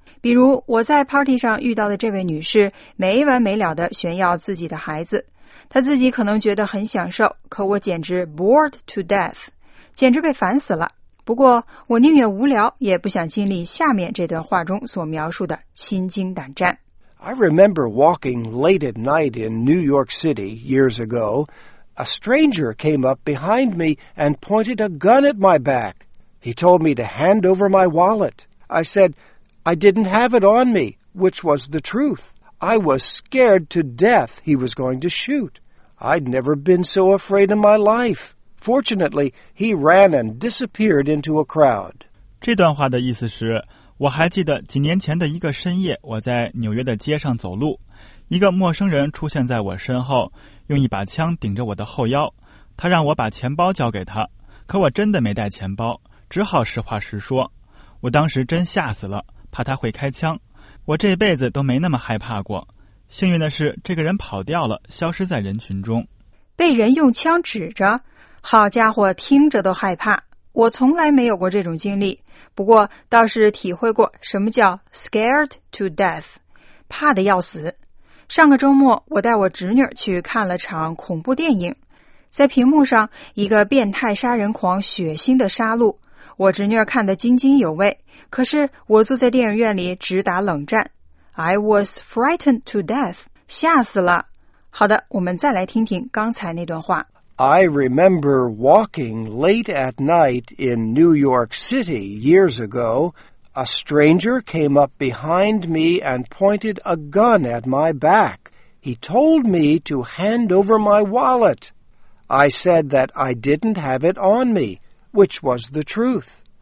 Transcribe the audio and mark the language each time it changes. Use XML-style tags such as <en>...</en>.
<zh>比如我在 party 上遇到的这位女士没完没了地炫耀自己的孩子，她自己可能觉得很享受，可我简直</zh> <en>bored to death,</en> <zh>简直被烦死了。不过我宁愿无聊也不想经历下面这段话中所描述的心惊胆战。</zh> <en>I remember walking late at night in New York City years ago. A stranger came up behind me and pointed a gun at my back. He told me to hand over my wallet. I said, I didn't have it on me, which was the truth. I was scared to death he was going to shoot. I'd never been so afraid in my life. Fortunately, he ran and disappeared into a crowd.</en> <zh>这段话的意思是，我还记得几年前的一个深夜，我在纽约的街上走路，一个陌生人出现在我身后，用一把枪顶着我的后腰。他让我把钱包交给他，可我真的没带钱包，只好实话实说。我当时真吓死了，怕他会开枪。我这辈子都没那么害怕过。幸运的是，这个人跑掉了，消失在人群中。被人用枪指着。好家伙，听着都害怕。我从来没有过这种经历，不过倒是体会过什么叫</zh> <en>scared to death,</en> <zh>怕得要死。上个周末我带我侄女去看了场恐怖电影，在屏幕上一个变态杀人狂血腥的杀戮，我侄女看得津津有味，可是我坐在电影院里直打冷战。</zh> <en>I was frightened to death,</en> <zh>吓死了。好的，我们再来听听刚才那段话。</zh> <en>I remember walking late at night in New York City years ago. A stranger came up behind me and pointed a gun at my back. He told me to hand over my wallet. I said that I didn't have it on me, which was the truth.</en>